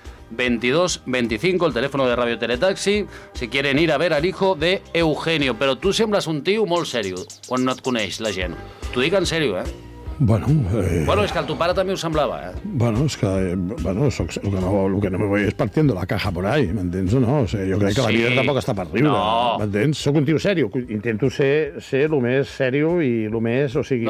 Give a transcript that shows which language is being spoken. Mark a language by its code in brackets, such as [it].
[es] 93-466-2225, el teléfono de Radio Teletaxi, si quieren ir a ver al hijo de Eugenio. [ca] Però tu sembles un tio molt serio quan no et coneix la gent. T'ho dic en serio, eh? Bueno, bueno, és que el teu pare també ho semblava, eh? [es] Bueno, [ca] és que, bueno, soc, [es] el que no me voy es partiendo la caja por ahí, [ca] m'entens o no? O sea, jo crec que La vida tampoc està per riure, no. M'entens? Soc un tio serio, intento ser lo més serio i lo més, o sigui...